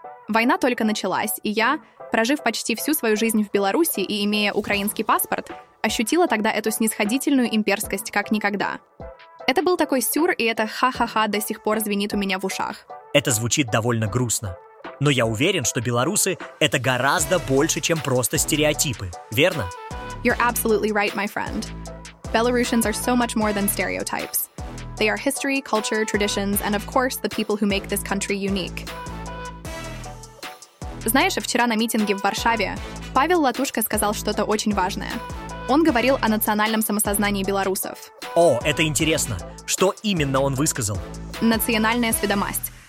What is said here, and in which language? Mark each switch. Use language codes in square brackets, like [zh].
[ru] Война только началась, и я, прожив почти всю свою жизнь в Беларуси и имея украинский паспорт, ощутила тогда эту снисходительную имперскость как никогда. Это был такой сюр, и это ха-ха-ха до сих пор звенит у меня в ушах. Это звучит довольно грустно. Но я уверен, что белорусы — это гораздо больше, чем просто стереотипы, верно? [en] You're absolutely right, my friend. Belarusians are so much more than stereotypes. They are history, culture, traditions, and of course, the people who make this country unique. [ru] Знаешь, вчера на митинге в Варшаве Павел Латушко сказал что-то очень важное. Он говорил о национальном самосознании белорусов. О, это интересно. Что именно он высказал? Национальная сведомость.